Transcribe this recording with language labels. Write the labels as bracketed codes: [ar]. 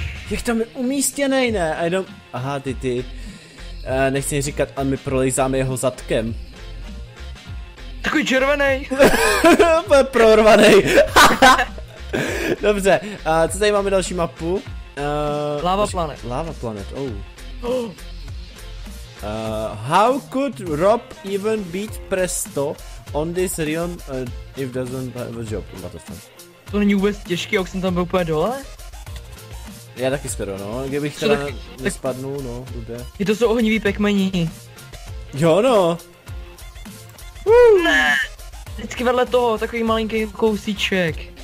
[cs] Jak tam je umístěnej, ne? A jenom, aha, ty. Nechci říkat, ale my prolejzáme jeho zadkem. Takový červený. To je prorvaný. Dobře, co tady máme další mapu? Lava další, planet. Lava planet, oh. [en] How could Rob even beat Presto on this realm if doesn't have a job? What the fuck? [cs] To není vůbec těžký, jak jsem tam byl úplně dole? Já taky skoro, no. Kdybych teda nespadnul, no, dobře. Je to jsou ohnivý pekmení. Jo, no. Ne, vždycky vedle toho, takový malinký kousíček.